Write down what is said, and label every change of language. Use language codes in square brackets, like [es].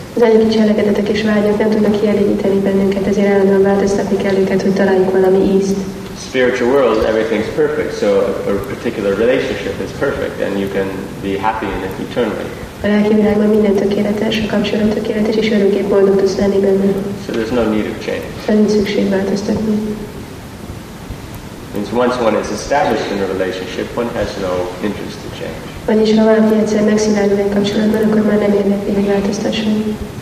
[hu] Az anyagi cselekedetek és vágyak nem tudnak kielégíteni bennünket, ezért állandóan változtatni kell őket, hogy találjuk valami ízt. [en] Spiritual world, everything's perfect, so a particular relationship is perfect, and you can be happy in it eternally. [hu] A lelki világban minden tökéletes, a kapcsolat tökéletes, és örökké boldog tudsz lenni benne. [en] So there's no need of change. [hu] Szóval nincs szükség változtatni. [en] Means once one is established in a relationship, one has no interest to change. [hu] Vagyis ha valaki egyszer megszilárdul egy kapcsolatban, akkor már nem érdekli, hogy változtasson.